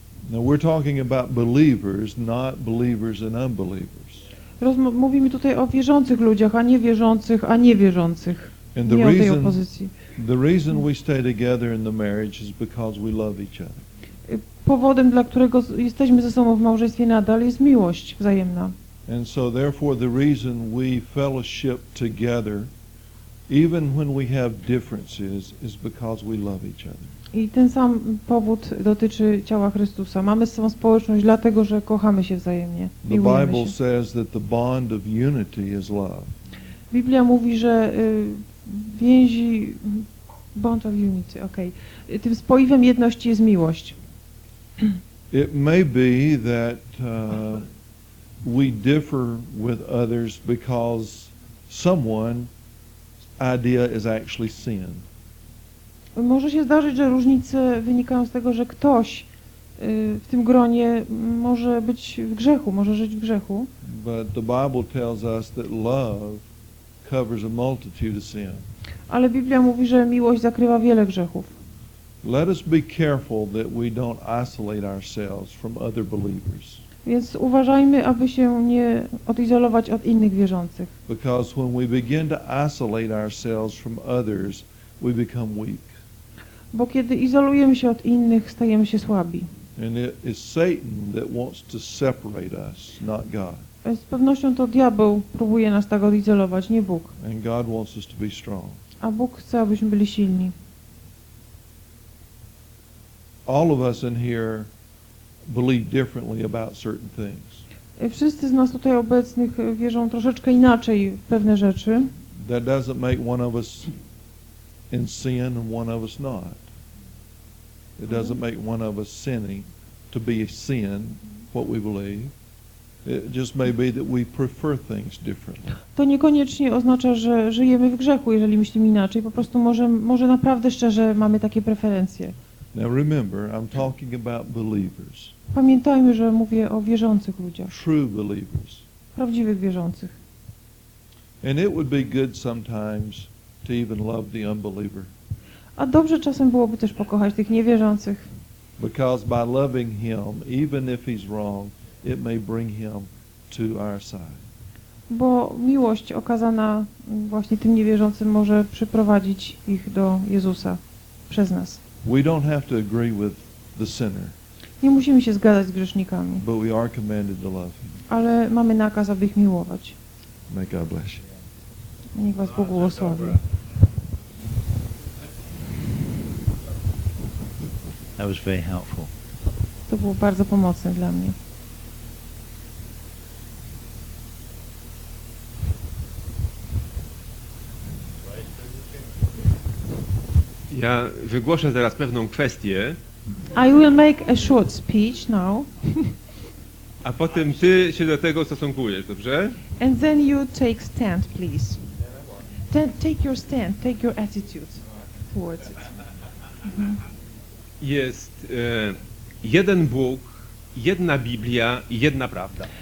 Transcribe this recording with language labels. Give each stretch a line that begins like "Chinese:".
English: Now we're talking about believers, not believers and unbelievers.
Polish: Mówimy tutaj o wierzących ludziach, a nie wierzących.
English: And the reason we stay together in the marriage is because we love each other.
Polish: Powodem, dla którego jesteśmy ze sobą w małżeństwie nadal, jest miłość wzajemna.
English: And so therefore the reason we fellowship together, even when we have differences, is because we love each other.
Polish: I ten sam powód dotyczy ciała Chrystusa. Mamy z sobą społeczność dlatego, że kochamy się wzajemnie.
English: The Bible says that the bond of unity is love.
Polish: Biblia mówi, że więzi,
English: bond of unity,
Polish: okej. Okay. Tym spoiwem jedności jest miłość.
English: It may be that we differ with others because someone's idea is actually sin.
Polish: Może się zdarzyć, że różnice wynikają z tego, że ktoś w tym gronie może być w grzechu, może żyć w grzechu.
English: But the Bible tells us that love covers a multitude of sin.
Polish: Ale Biblia mówi, że miłość zakrywa wiele grzechów.
English: Let us be careful that we don't isolate ourselves from other believers.
Polish: Więc uważajmy, aby się nie odizolować od innych wierzących.
English: Because when we begin to isolate ourselves from others, we become weak.
Polish: Bo kiedy izolujemy się od innych, stajemy się słabi.
English: And it is Satan that wants to separate us, not God.
Polish: Z pewnością to diabeł próbuje nas tak odizolować, nie Bóg.
English: And God wants us to be strong.
Polish: A Bóg chce, abyśmy byli silni.
English: All of us in here believe differently about certain things.
Polish: Wszyscy z nas tutaj obecnych wierzą troszeczkę inaczej w pewne rzeczy.
English: That doesn't make one of us in sin and one of us not. It doesn't make one of us sinning to be a sin what we believe. It just may be that we prefer things differently.
Polish: To niekoniecznie oznacza, że żyjemy w grzechu, jeżeli myślimy inaczej. Po prostu może naprawdę szczerze mamy takie preferencje.
English: Now remember, I'm talking about believers.
Polish: Pamiętajmy, że mówię o wierzących ludziach.
English: True believers.
Polish: Prawdziwych wierzących.
English: And it would be good sometimes to even love the unbeliever.
Polish: A dobrze czasem byłoby też pokochać tych niewierzących.
English: Because by loving him, even if he's wrong, it may bring him to our side.
Polish: Bo miłość okazana właśnie tym niewierzącym może przyprowadzić ich do Jezusa przez nas.
English: We don't have to agree with the sinner.
Polish: Nie musimy się zgadzać z grzesznikami.
English: But we are commanded to love him.
Polish: Ale mamy nakaz, aby ich miłować.
English: May God bless you.
Polish: Niech was Bóg błogosławi.
English: That was very helpful.
Polish: To było bardzo pomocne dla mnie. Ja wygłoszę teraz pewną kwestię.
English: I will make a short speech now.
Polish: A potem ty się do tego stosunkujesz, dobrze?
English: And then you take stand, please. Then take your stand, take your attitude towards it.
Polish: Jest jeden Bóg, jedna Biblia, jedna prawda.